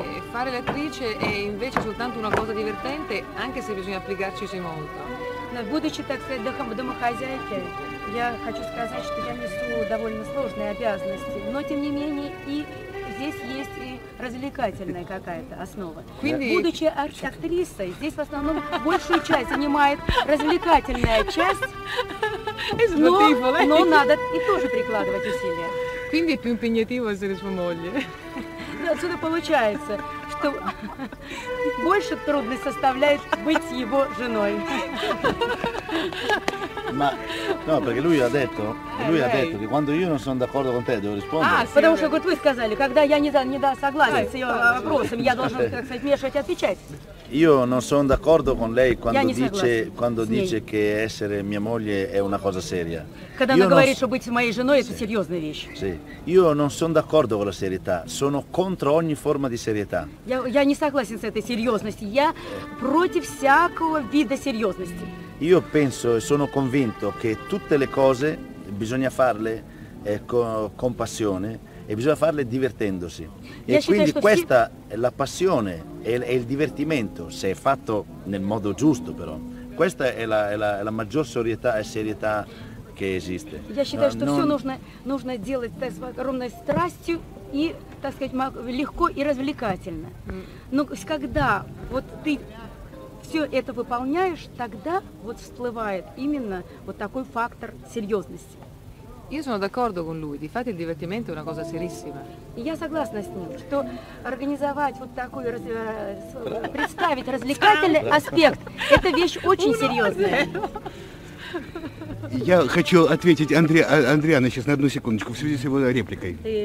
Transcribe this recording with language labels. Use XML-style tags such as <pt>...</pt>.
<it>Fare l'attrice è invece soltanto una cosa divertente, anche se bisogna applicarcisi molto.</it> <ru>Но будучи, так сказать, домохозяйкой, я хочу сказать, что я несу довольно сложные обязанности, но тем не менее и здесь есть и развлекательная какая-то основа. Будучи актрисой, здесь в основном большую часть занимает развлекательная часть, но надо и тоже прикладывать усилия.</ru> <it>Quindi è più impegnativo essere sua moglie.</it> <ru>Отсюда получается, что больше трудность составляет быть его женой.</ru> <it>No, perché lui ha detto, che quando io non sono d'accordo con te, devo rispondere.</it> <ru>Ah, потому что, говорит, вы сказали, когда я не согласен с ее вопросом, я должен, так сказать, вмешивать, отвечать.</ru> <it>Io non sono d'accordo con lei quando dice che essere mia moglie è una cosa seria.</it> <ru>Когда она говорит, что быть моей женой это серьезная вещь.</ru> <it>Sì. Io non sono d'accordo con la serietà. Sono contro ogni forma di serietà.</it> <ru>Я не согласен с этой серьезностью. Я против всякого вида серьезности.</ru> <it>Io penso e sono convinto che tutte le cose bisogna farle con passione e bisogna farle divertendosi. E quindi questa è la passione e il divertimento, se è fatto nel modo giusto però, questa è la maggior sorietà e serietà che esiste.</it> <ru>Я считаю, что все нужно делать с огромной страстью и, так сказать, легко и развлекательно. Но когда вот ты все это выполняешь, тогда вот всплывает именно вот такой фактор серьезности.</ru> <it>Io sono d'accordo con lui, difatti il divertimento è una cosa serissima.</it> <ru>Я согласна с ним, что организовать вот такую представить развлекательный аспект это вещь очень серьезная. Я хочу ответить Андриана сейчас на одну секундочку в связи с его репликой.</ru>